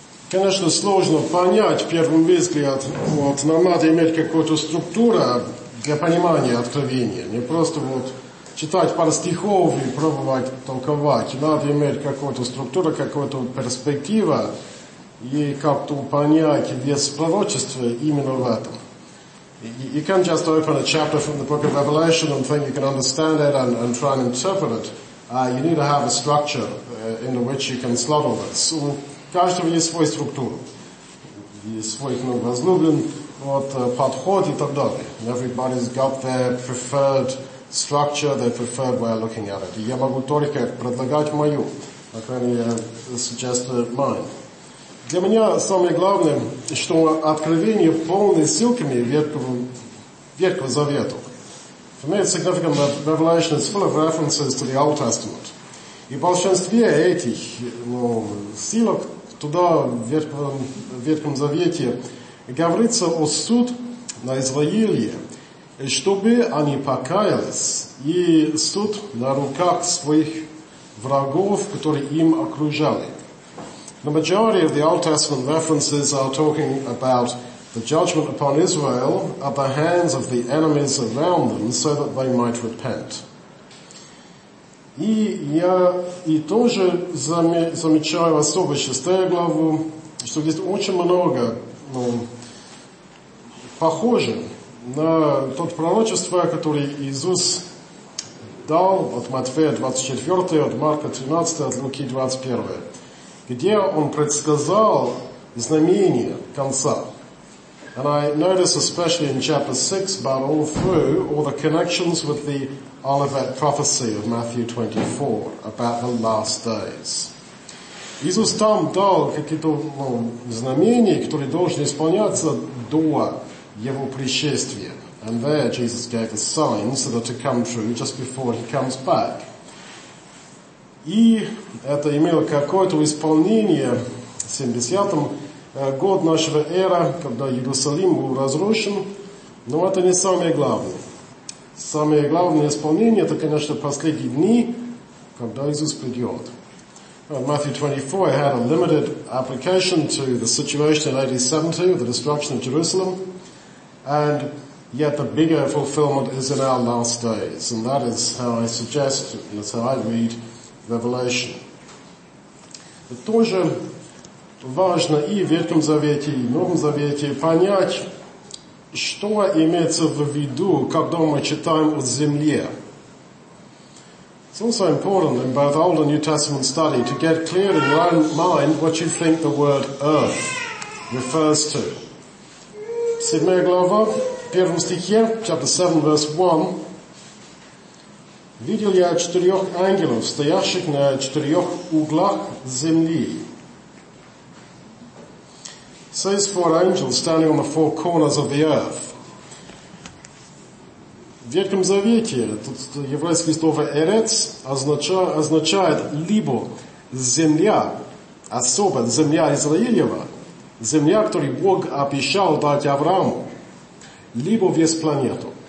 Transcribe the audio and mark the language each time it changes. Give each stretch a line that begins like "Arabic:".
Russian: Конечно, сложно понять в первом взгляд, вот, нам надо иметь какую-то структуру для понимания откровения. Не просто вот читать пару стихов и пробовать толковать. Надо иметь какую-то структуру, какую-то перспективу и как-то понять вес пророчества именно в этом.
English: You can just open a chapter from the book of Revelation and think you can understand it and try and interpret it. You need to have a structure in which you can slot all this.
Russian: У каждого есть свою структуру, есть свой возлюблен подход и так далее.
English: Everybody's got their preferred structure, their preferred way of looking at it.
Russian: Я могу только предлагать мою, а крайне
English: suggest mine.
Russian: Для меня самое главное, что откровение полное ссылками Ветхого Завета.
English: For me it's significant that Revelation is full of references to the Old Testament.
Russian: И большинство этих ссылок туда, в Ветхом Завете, говорится о суд на Израиле, чтобы они покаялись, и суд на руках своих врагов, которые им окружали.
English: The majority of the Old Testament references are talking about the judgment upon Israel at the hands of the enemies around them so that they might repent.
Russian: И я и тоже замечаю, особо 6 главу, что здесь очень много похоже на то пророчество, которое Иисус дал от Матфея 24, от Марка 13, от Луки 21, где Он предсказал знамение конца.
English: And I notice, especially in chapter 6, but all through, all the connections with the Olivet prophecy of Matthew 24 about the last days.
Russian: Иисус там дал какие-то знамения, которые должны исполняться до Его пришествия.
English: And there Jesus gave the signs that are to come true just before He comes back.
Russian: И это имело какое-то исполнение в 70-м год нашего эра, когда Иерусалим был разрушен, но это не самое главное. Самое главное исполнение, это, конечно, последние дни, когда Иисус придет.
English: Matthew 24 had a limited application to the situation in AD 70, the destruction of Jerusalem, and yet the bigger fulfillment is in our last days, and that is how I suggest, and that's how I read Revelation.
Russian: Тоже важно и в Ветхом Завете, и в Новом Завете понять, что имеется в виду, когда мы читаем о земле.
English: It's also important in both Old and New Testament study to get clear in your own mind what you think the word earth refers to.
Russian: 7 глава, 1 стихе,
English: chapter 7, verse 1.
Russian: Видел я четырех ангелов, стоящих на четырех углах земли.
English: Says four angels standing on the four corners of the earth.
Russian: В Ветхом Завете тут еврейское слово «эрец» означает либо земля, особо земля Израилева, земля, которую Бог обещал дать Аврааму, либо весь планету.